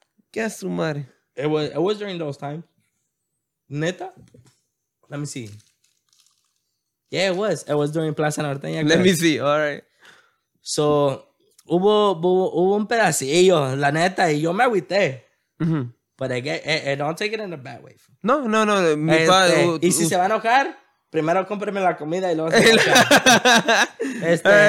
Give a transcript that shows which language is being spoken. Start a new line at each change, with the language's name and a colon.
Spanish: ¿Qué es su madre?
English: It was during those times. ¿Neta? Let me see. Yeah, it was during Plaza Norteña. Let me see, all right.
Spanish: So, hubo un pedacillo, la neta, y yo me agüité. Mm-hmm.
English: But I don't take it in a bad way. No.
Spanish: Y si se va a enojar, primero cómpreme la comida y luego se va a enojar.